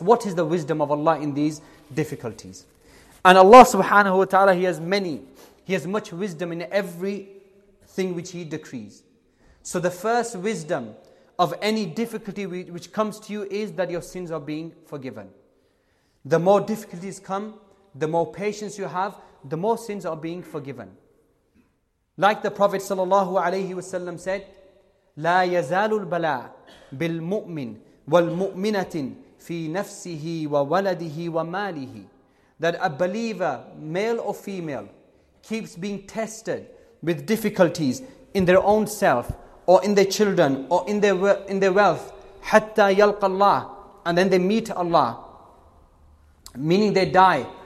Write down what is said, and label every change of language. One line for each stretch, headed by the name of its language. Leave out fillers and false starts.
English: What is the wisdom of Allah in these difficulties? And Allah subhanahu wa ta'ala, He has much wisdom in everything which He decrees. So the first wisdom of any difficulty which comes to you is that your sins are being forgiven. The more difficulties come, the more patience you have, the more sins are being forgiven. Like the Prophet sallallahu alayhi wasallam said,
Arabic: لَا يَزَالُ الْبَلَىٰ بِالْمُؤْمِنِ وَالْمُؤْمِنَةٍ فِي نَفْسِهِ وَوَلَدِهِ وَمَالِهِ.
English: That a believer, male or female, keeps being tested with difficulties in their own self, or in their children, or in their wealth.
Arabic: حَتَّى يَلْقَ اللَّهِ.
English: And then they meet Allah. Meaning they die.